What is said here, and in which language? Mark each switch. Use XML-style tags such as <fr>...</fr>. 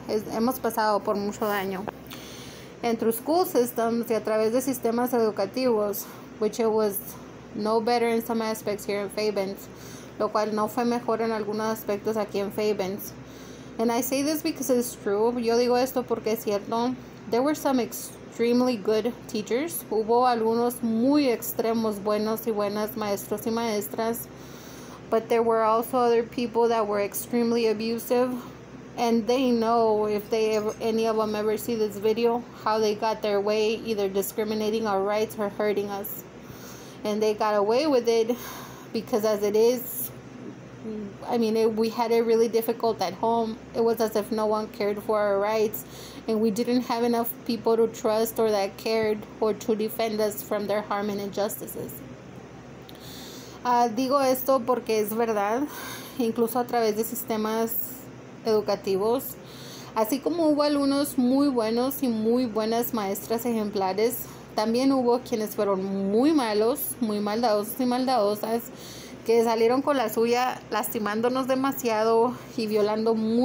<es>Hemos pasado por mucho daño.</es> <en>And through school systems</en> <es>y a través de sistemas educativos,</es> <en>which it was no better in some aspects here in Fabens,</en> <es>lo cual no fue mejor en algunos aspectos aquí en Fabens.</es> <en>And I say this because it's true.</en> <es>Yo digo esto porque es cierto.</es> <en>There were some extremely good teachers.</en> <es>Hubo algunos muy extremos buenos y buenas maestros y maestras.</es> <en>But there were also other people that were extremely abusive. And they know, if they ever, any of them ever see this video, how they got their way, either discriminating our rights or hurting us. And they got away with it because as it is, I mean, we had it really difficult at home. It was as if no one cared for our rights. And we didn't have enough people to trust or that cared or to defend us from their harm and injustices.</en> <es>Digo esto porque es verdad, incluso a través de sistemas educativos. Así como hubo algunos muy buenos y muy buenas maestras ejemplares, también hubo quienes fueron muy malos, muy maldadosos y maldadosas, que salieron con la suya lastimándonos demasiado y violando mucho.</es>